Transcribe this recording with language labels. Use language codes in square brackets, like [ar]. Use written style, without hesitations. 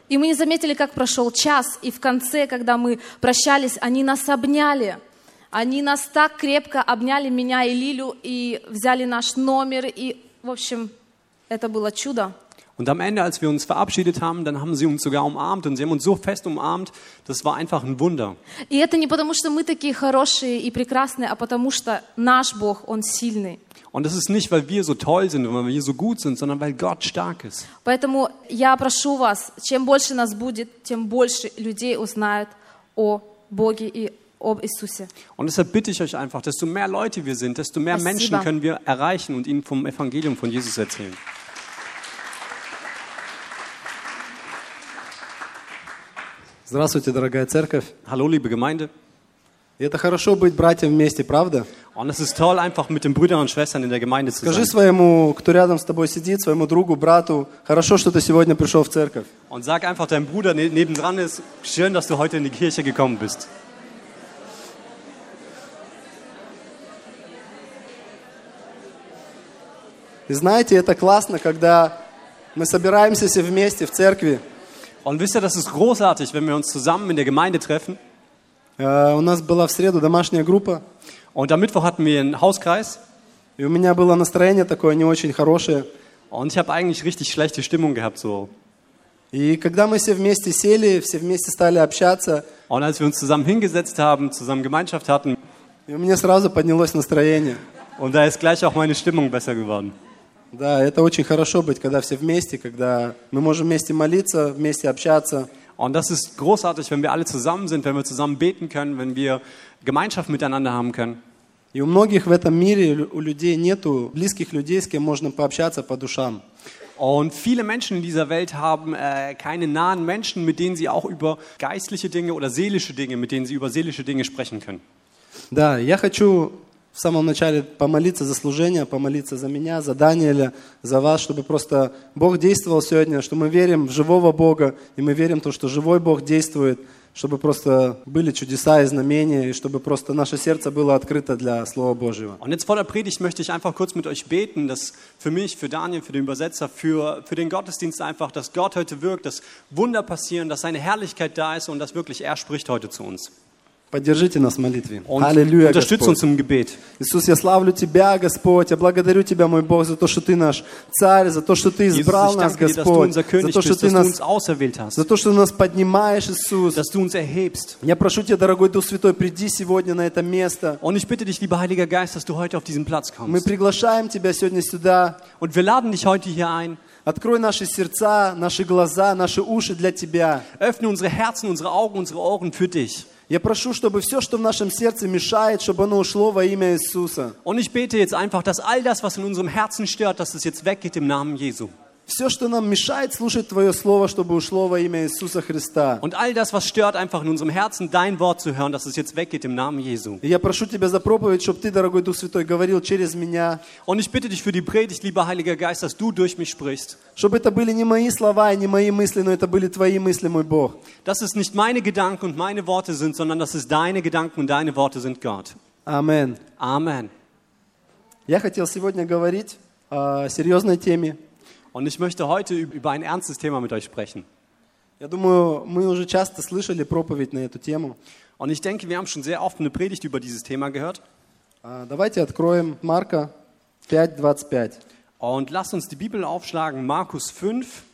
[ru] И мы не заметили, как прошел час, и в конце, когда мы прощались, они нас обняли. Они нас так крепко обняли, меня и Лилю, и взяли наш номер, и, в общем, это было чудо. [de] Und am Ende, als wir uns verabschiedet haben, dann haben sie uns sogar umarmt und sie haben uns so fest umarmt, das war einfach ein Wunder. [ru] И это не потому, что мы такие хорошие и прекрасные, а потому что наш Бог, он сильный. [de] Und das ist nicht, weil wir so toll sind, weil wir so gut sind, sondern weil Gott stark ist. [ru] Поэтому я прошу вас, чем больше нас будет, тем больше людей узнают о Боге и [de] ob [ru] Иисусе. [de] Und deshalb bitte ich euch einfach, desto mehr Leute wir sind, desto mehr [ru] Спасибо. [de] Menschen können wir erreichen und ihnen vom Evangelium von Jesus erzählen. [ru] Здравствуйте, дорогая церковь. [de] Hallo, liebe Gemeinde. [ru] Это хорошо быть братьями вместе, правда? [de] Und es ist toll, einfach mit den Brüdern und Schwestern in der Gemeinde zu sein. [ru] Скажи своему, кто рядом с тобой сидит, своему другу, брату, хорошо, что ты сегодня пришел в церковь. [de] Und sag einfach deinem Bruder nebendran, ist schön, dass du heute in die Kirche gekommen bist. [ru] И знаете, это классно, когда мы собираемся все вместе в церкви. [de] Und wisst ihr, das ist großartig, wenn wir uns zusammen in der Gemeinde treffen. [ru] У нас была в среду домашняя группа. [de] Und am Mittwoch hatten wir einen Hauskreis. [ru] И у меня было настроение такое не очень хорошее. [de] Und ich habe eigentlich richtig schlechte Stimmung gehabt so. [ru] И когда мы все вместе сели, все вместе стали общаться. [de] Und als wir uns zusammen hingesetzt haben, zusammen Gemeinschaft hatten. [ru] И у меня сразу поднялось настроение. [de] Und da ist gleich auch meine Stimmung besser geworden. [ru] Да, это очень хорошо быть, когда все вместе, когда мы можем вместе молиться, вместе общаться. [de] Und das ist großartig, wenn wir alle zusammen sind, wenn wir zusammen beten können, wenn wir Gemeinschaft miteinander haben können. [ru] И у многих в этом мире у людей нету близких людей, с кем можно пообщаться по душам. [de] Und viele Menschen in dieser Welt haben keine nahen Menschen, mit denen sie auch über geistliche Dinge oder seelische Dinge, mit denen sie über seelische Dinge sprechen können. [ru] Да, я хочу в самом начале помолиться за служение, помолиться за меня, за Даниэля, за вас, чтобы просто Бог действовал сегодня, что мы верим в живого Бога, и мы верим в то, что живой Бог действует, чтобы просто были чудеса и знамения, и чтобы просто наше сердце было открыто для Слова Божьего. [de] Und jetzt vor der Predigt möchte ich einfach kurz mit euch beten, dass für mich, für Daniel, für den Übersetzer, für den Gottesdienst einfach, dass Gott heute wirkt, dass Wunder passieren, dass seine Herrlichkeit da ist und dass wirklich er spricht heute zu uns. [ru] Поддержите нас в молитве. Аллилуйя, Господь. Иисус, я славлю Тебя, Господь. Я благодарю Тебя, мой Бог, за то, что Ты наш Царь, за то, что Ты избрал [de] Jesus, [ru] нас, Господь. [de] Dir, [ru] за то, что Ты нас [de] auserwählt hast. [ru] За то, что Ты нас поднимаешь, Иисус. [de] Dass du uns erhebst. [ru] Я прошу Тебя, дорогой Дух Святой, приди сегодня на это место. [de] Und ich bitte dich, lieber Heiliger Geist, dass du heute auf diesen Platz kommst. [ru] Мы приглашаем Тебя сегодня сюда. [de] Und wir laden dich heute hier ein. [ru] Открой наши сердца, наши глаза, наши уши для Тебя. [de] Öffne unsere Herzen, unsere Augen, unsere Ohren für Dich. [ru] Я прошу, чтобы все, что в нашем сердце мешает, чтобы оно ушло во имя Иисуса. [de] Und ich bete jetzt einfach, dass all das, was in unserem Herzen stört, dass es jetzt weggeht im Namen Jesu. [ru] Все, что нам мешает слушать Твое Слово, чтобы ушло во имя Иисуса Христа. [de] Und all das, was stört einfach in unserem Herzen, Dein Wort zu hören, dass es jetzt weggeht im Namen Jesu. [ru] И я прошу Тебя за проповедь, чтобы Ты, дорогой Дух Святой, говорил через меня. [de] Und ich bitte Dich für die Predigt, lieber Heiliger Geist, dass Du durch mich sprichst. [ru] Чтобы это были не мои слова и не мои мысли, но это были Твои мысли, мой Бог. [de] Dass es nicht meine Gedanken und meine Worte sind, sondern dass es Deine Gedanken und Deine Worte sind, Gott. [ru] Amen. [de] Amen. [ru] Я хотел сегодня говорить о серьезной теме. [de] Und ich möchte heute über ein ernstes Thema mit euch sprechen. [ru] Я думаю, мы уже часто слышали проповедь на эту тему. [de] Und ich denke, wir haben schon sehr oft eine Predigt über dieses Thema gehört. [ru] Давайте откроем Марка 5:25. [de] Und lasst uns die Bibel aufschlagen, Markus 5,